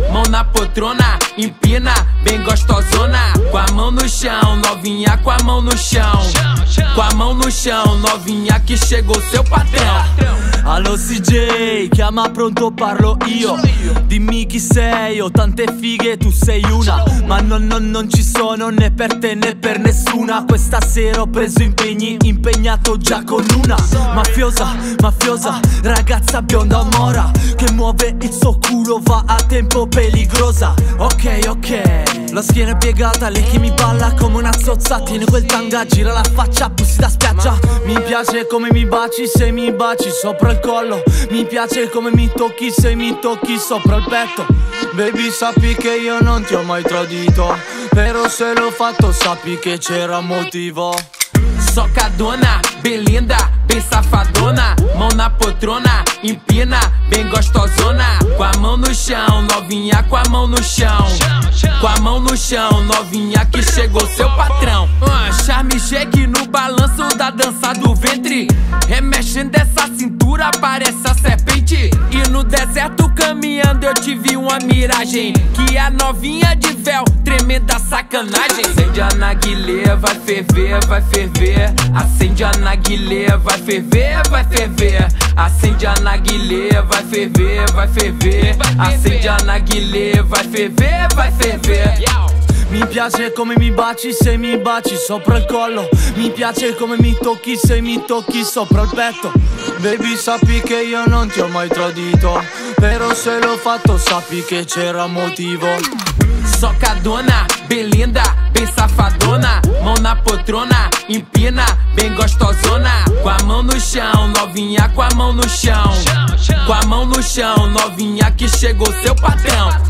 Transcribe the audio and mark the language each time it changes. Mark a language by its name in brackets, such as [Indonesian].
[Portuguese] Mão na poltrona, empina, bem gostosona. Com a mão no chão, novinha, com a mão no chão. Com a mão no chão, novinha, que chegou seu patrão. [Italian] Alô CJ, que ama pronto parlo io. Dimmi chi sei, ho tante fighe, tu sei una. Ma non ci sono né per te né per nessuna. Questa sera ho preso impegni, impegnato già con una. Mafiosa, mafiosa, ragazza bionda mora. Che muove il suo culo, va a tempo peligrosa. Ok, ok, la schiena è piegata, lei che mi balla come una zozza. Tiene quel tanga, gira la faccia, bussi da spiaggia. Mi piace come mi baci, se mi baci sopra il collo. Mi piace come mi tocchi, se mi tocchi sopra il petto. Baby, sappi che io non ti ho mai tradito, però se l'ho fatto sappi che c'era motivo. [Portuguese] Socadona, ben linda, ben safadona. Mão na poltrona, empina, bem gostosona. Com a mão no chão, novinha, com a mão no chão. Com a mão no chão, novinha, que chegou seu patrão. Charme shake no balanço da dança do ventre. Remexendo essa cintura, parece a serpente. E no deserto caminhando eu tive uma miragem. Que a novinha de véu, tremenda sacanagem. Acende a narguilé, vai ferver, vai ferver. Acende a narguilé, vai ferver, vai ferver. Acende a narguilé, vai ferver, vai ferver. Acende a narguilé, vai ferver, vai ferver. [Italian] Mi piace come mi baci, se mi baci sopra il collo. Mi piace come mi tocchi, se mi tocchi sopra il petto. Baby, sappi che io non ti ho mai tradito, però se l'ho fatto sappi che c'era motivo. [Portuguese] Socadona, ben linda, ben safadona. Mão na poltrona, empina, bem gostosona. Com a mão no chão, novinha, com a mão no chão. Com a mão no chão, novinha, que chegou seu patrão.